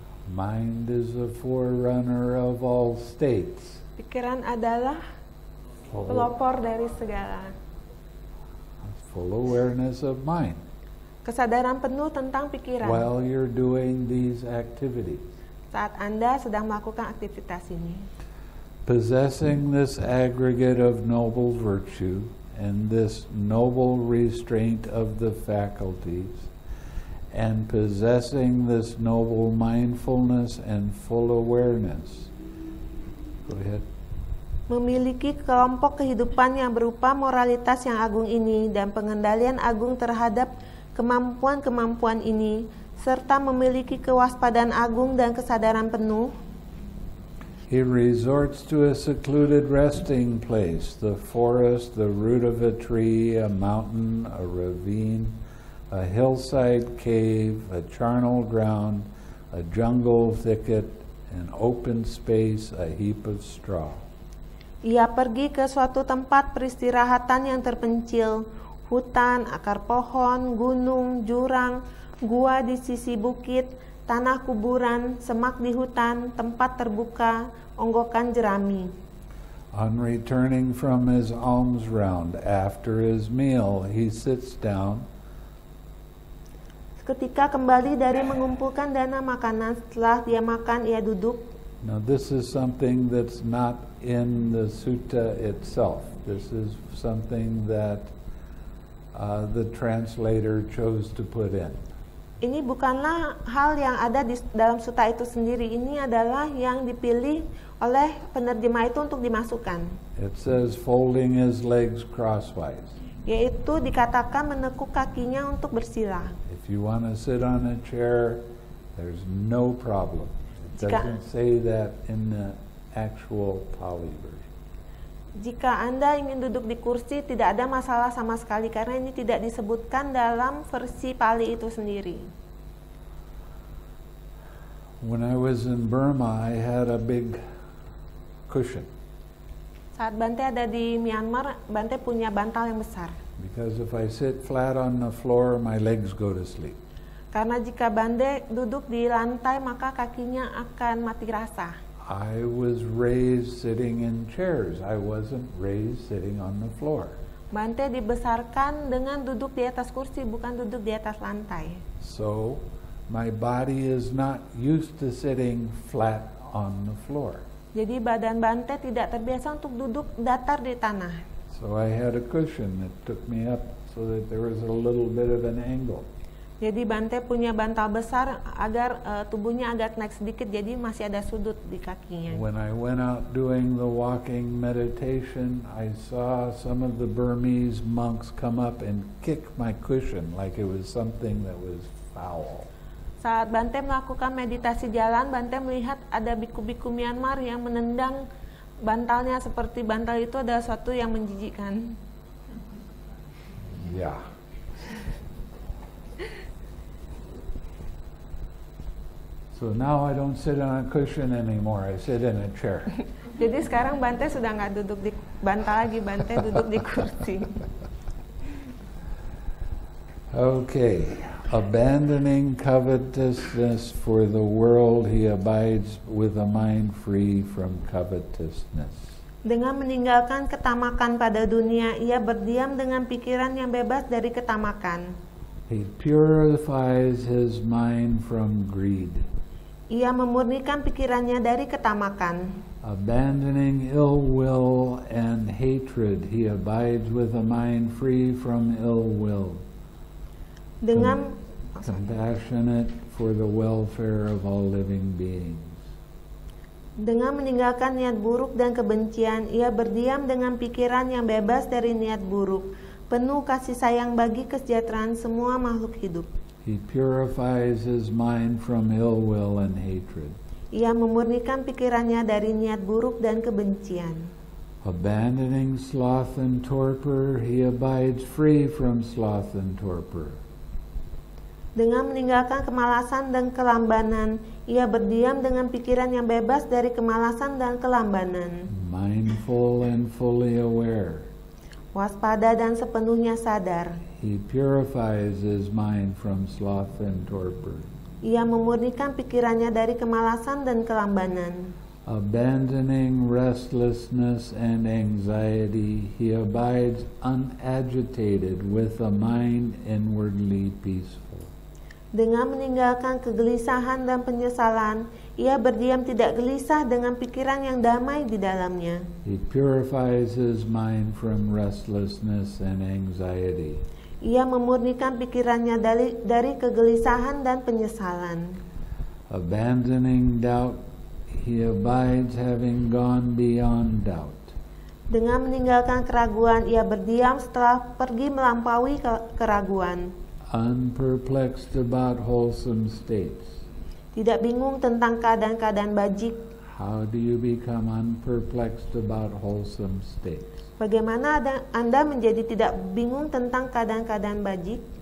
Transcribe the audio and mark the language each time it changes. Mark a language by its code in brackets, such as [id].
[en] Mind is the forerunner of all states. [id] Pikiran adalah pelopor dari segala. [en] Full awareness of mind. [id] Kesadaran penuh tentang pikiran. [en] While you're doing these activities. [id] Saat Anda sedang melakukan aktivitas ini. [en] Possessing this aggregate of noble virtue and this noble restraint of the faculties, and possessing this noble mindfulness and full awareness. Go ahead. [id] Memiliki kelompok kehidupan yang berupa moralitas yang agung ini dan pengendalian agung terhadap kemampuan-kemampuan ini, serta memiliki kewaspadaan agung dan kesadaran penuh. [en] He resorts to a secluded resting place, the forest, the root of a tree, a mountain, a ravine, a hillside cave, a charnel ground, a jungle thicket, an open space, a heap of straw. [id] Ia pergi ke suatu tempat peristirahatan yang terpencil, hutan, akar pohon, gunung, jurang, gua di sisi bukit, tanah kuburan, semak di hutan, tempat terbuka, onggokan jerami. [en] On returning from his alms round, after his meal, he sits down. [id] Ketika kembali dari mengumpulkan dana makanan, setelah dia makan, ia duduk. [en] Now this is something that's not in the sutta itself. This is something that the translator chose to put in. [id] Ini bukanlah hal yang ada di dalam sutta itu sendiri. Ini adalah yang dipilih oleh penerjemah itu untuk dimasukkan. [en] It says folding his legs crosswise. [id] Yaitu dikatakan menekuk kakinya untuk bersila. [en] If you want to sit on a chair, there's no problem. It doesn't say that in the actual Pali version. [id] Jika Anda ingin duduk di kursi, tidak ada masalah sama sekali karena ini tidak disebutkan dalam versi Pali itu sendiri. [en] When I was in Burma, I had a big cushion. [id] Saat Bante ada di Myanmar, Bante punya bantal yang besar. [en] Because if I sit flat on the floor, my legs go to sleep. [id] Karena jika Bande duduk di lantai, maka kakinya akan mati rasa. [en] I was raised sitting in chairs. I wasn't raised sitting on the floor. [id] Bante dibesarkan dengan duduk di atas kursi, bukan duduk di atas lantai. [en] So, my body is not used to sitting flat on the floor. [id] Jadi badan Bante tidak terbiasa untuk duduk datar di tanah. [en] So I had a cushion that took me up so that there was a little bit of an angle. [id] Jadi Bante punya bantal besar agar tubuhnya agak naik sedikit, jadi masih ada sudut di kakinya. [en] When I went out doing the walking meditation, I saw some of the Burmese monks come up and kick my cushion like it was something that was foul. [id] Saat Bante melakukan meditasi jalan, Bante melihat ada biku-biku Myanmar yang menendang bantalnya seperti bantal itu adalah suatu yang menjijikkan. [en] Yeah. So now I don't sit on a cushion anymore. I sit in a chair. [id] Jadi sekarang Bante sudah enggak duduk di bantal lagi, Bante duduk di kursi. [en] Okay. Abandoning covetousness for the world, he abides with a mind free from covetousness. [id] Dengan meninggalkan ketamakan pada dunia, ia berdiam dengan pikiran yang bebas dari ketamakan. [en] He purifies his mind from greed. [id] Ia memurnikan pikirannya dari ketamakan. [en] Abandoning ill will and hatred, he abides with a mind free from ill will. [id] Dengan [en] compassionate for the welfare of all living beings. [id] Dengan meninggalkan niat buruk dan kebencian, ia berdiam dengan pikiran yang bebas dari niat buruk, penuh kasih sayang bagi kesejahteraan semua makhluk hidup. [en] He purifies his mind from ill will and hatred. [id] Ia memurnikan pikirannya dari niat buruk dan kebencian. [en] Abandoning sloth and torpor, he abides free from sloth and torpor. [id] Dengan meninggalkan kemalasan dan kelambanan, ia berdiam dengan pikiran yang bebas dari kemalasan dan kelambanan. [en] Mindful and fully aware. [id] Waspada dan sepenuhnya sadar. [en] He purifies his mind from sloth and torpor. [id] Ia memurnikan pikirannya dari kemalasan dan kelambanan. [en] Abandoning restlessness and anxiety, he abides unagitated with a mind inwardly peaceful. [id] Dengan meninggalkan kegelisahan dan penyesalan, ia berdiam tidak gelisah dengan pikiran yang damai di dalamnya. [en] He purifies his mind from restlessness and anxiety. [id] Ia memurnikan pikirannya dari kegelisahan dan penyesalan. [en] Abandoning doubt, he abides having gone beyond doubt. [id] Dengan meninggalkan keraguan, ia berdiam setelah pergi melampaui keraguan. [en] Unperplexed about wholesome states. [id] Tidak bingung tentang keadaan-keadaan bajik. [en] How do you become unperplexed about wholesome states? [id] Bagaimana Anda menjadi tidak bingung tentang keadaan-keadaan bajik?